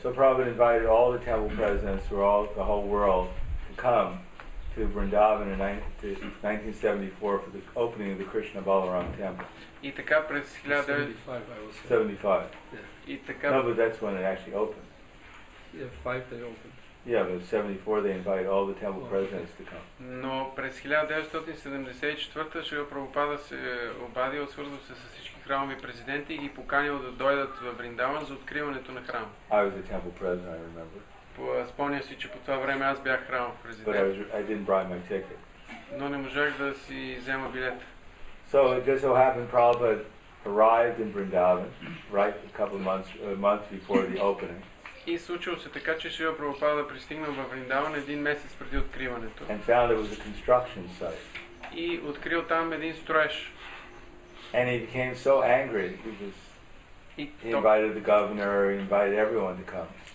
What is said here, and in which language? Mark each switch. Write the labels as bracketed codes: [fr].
[en] So Prabhupada invited all the temple presidents from all the whole world to come to Vrindavan in 1974 for the opening of the Krishna Balaram temple. [bg] И така през 1975. [en] No, but that's when it actually opened. Yeah, 5 they opened. Yeah, but in 74 they invited all the temple presidents to come. [bg] Но през 1974 Шрила Прабхупада се обадил, свързал се с всички храмови президенти и ги поканил да дойдат в Вриндаван за откриването на храма. [en] I was the temple president, I remember. [bg] Спомня си, че по това време аз бях храмов президент. [en] But I didn't buy my ticket. [bg] Но не можах да си взема билет. [en] So it just so happened Prabhupada arrived in Vrindavan right a couple months a month before the opening. [bg] И случило се така, че Шрила Прабхупада пристигнал в Вриндаван един месец преди откриването. [en] And found it was a construction site. [bg] И открил там един строеж. [en] And he became so angry because he invited the governor, he invited everyone to come.